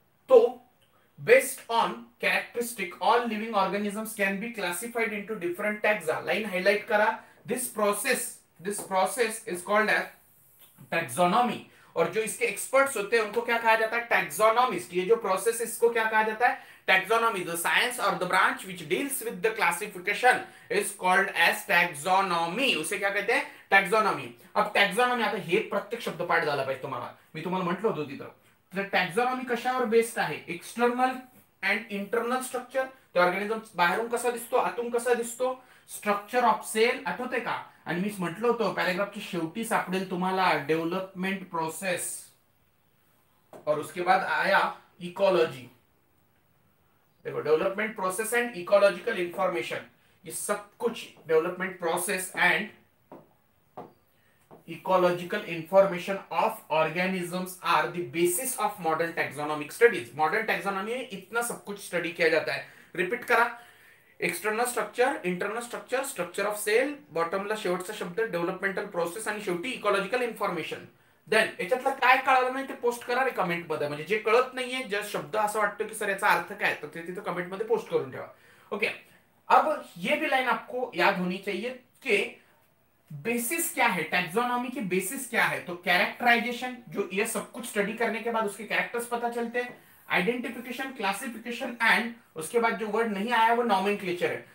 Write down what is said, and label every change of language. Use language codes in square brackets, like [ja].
[en] तो based on characteristic all living organisms can be classified into different taxa, [mr] line highlight करा, [en] This process is called as taxonomy. [hi] और जो इसके experts होते हैं उनको क्या कहा जाता है, टैक्सोनॉमिस्ट। ये जो प्रोसेस, इसको क्या कहा जाता है, टैक्सोनॉमी, [en] the science और the branch which deals with the classification is called as taxonomy, [hi] उसे क्या कहते हैं, टैक्सोनॉमी। [mr] अब टैक्सोनॉमी आता हे प्रत्येक शब्द पाठ झाला पाहिजे तुम्हाला, मी तुम्हाला म्हटलं होतं तिथं, तर टॅक्झॉनॉमी कशावर बेस्ड आहे, एक्सटर्नल अँड इंटरनल स्ट्रक्चर, तर ऑर्गॅनिझम बाहेरून कसा दिसतो, आतून कसा दिसतो, स्ट्रक्चर ऑफ सेल, आठवते का, आणि मीच म्हटलं होतं पॅरेग्राफच्या शेवटी सापडेल तुम्हाला डेव्हलपमेंट प्रोसेस, [hi] और उसके बाद आया इकॉलॉजी। [en] देखो development process and ecological information, [hi] ये सब कुछ [en] Development process and ecological information of organisms are the basis of modern taxonomic studies. [hi] Modern taxonomy में इतना सब कुछ स्टडी किया जाता है। [mr] रिपीट करा, external structure, internal structure, structure of sale, बॉटमला शेवटचा शब्द डेव्हलपमेंटल प्रोसेस आणि शेवटी इकोलॉजिकल इन्फॉर्मेशन। देन याच्यातलं काय कळालं नाही ते पोस्ट करा रे कमेंट मध्ये, म्हणजे जे कळत नाहीये, जे शब्द असं वाटतं की सर याचा अर्थ काय, तर ते तिथे कमेंट मध्ये पोस्ट करून ठेवा। [hi] ओके, अब ये भी लाईन आपको याद होनी चाहिए कि बेसिस क्या है, टैक्सोनॉमी के बेसिस क्या है, तो कैरेक्टराइजेशन, जो ये सब कुछ स्टडी करने के बाद उसके कैरेक्टर्स पता चलते हैं, आइडेंटिफिकेशन, क्लासिफिकेशन एंड उसके बाद जो वर्ड नहीं आया वो नॉमेनक्लेचर है।